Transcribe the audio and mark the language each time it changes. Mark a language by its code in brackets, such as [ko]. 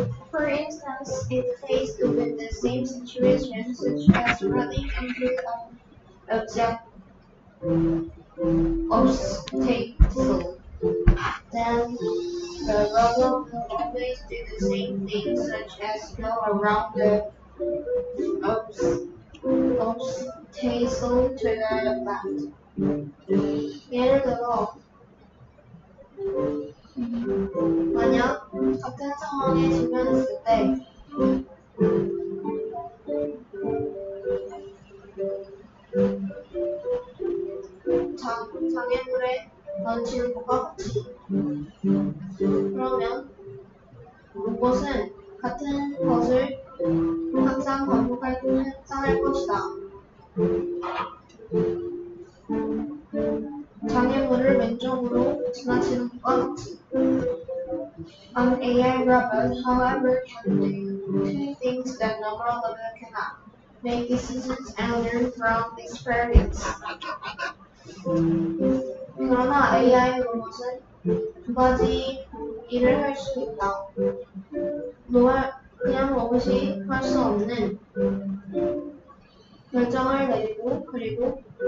[en] For instance, if faced with the same situation such as running into an obstacle, then the robot will always do the same thing such as go around the obstacle to the left. [ko] 예를 들어, 만약 같은 상황에 직면했을 때, 장애물의 런칭과 같이, 그러면 로봇은 같은 것을 항상 반복할 뿐일 것이다. 장애물을 왼쪽으로 지나치는 것과 같이. [en] An AI robot, however, can do two things that no robot cannot: make decisions and learn from experience. [ko] 그러나 AI 로봇은 두 가지 일을 할 수 있다. 그냥 로봇이 할 수 없는 결정을 내리고, 그리고